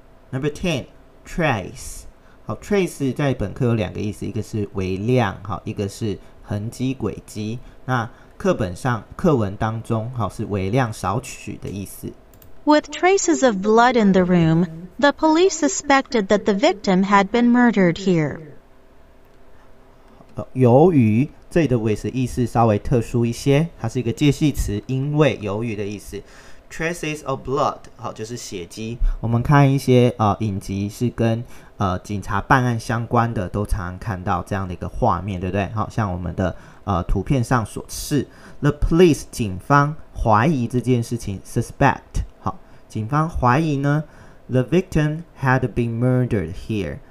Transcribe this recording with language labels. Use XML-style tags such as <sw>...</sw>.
<en>Number ten。</en> <zh>Trace， 好 ，trace 在本科有两个意思，一个是微量，好，一个是痕迹轨迹。那课本上课文当中，好是微量少许的意思。</zh> <en>With traces of blood in the room, the police suspected that the victim had been murdered here.</en> <zh>由于这里的 with 意思稍微特殊一些，它是一个介系词，因为由于的意思。</zh> <en>Traces of blood，</en> <zh>好，就是血迹。我们看一些影集是跟警察办案相关的，都常常看到这样的一个画面，对不对？好像我们的图片上所示 ，the police 警方怀疑这件事情 ，suspect， 好，警方怀疑呢 ，</zh> <en>the victim had been murdered here。</en>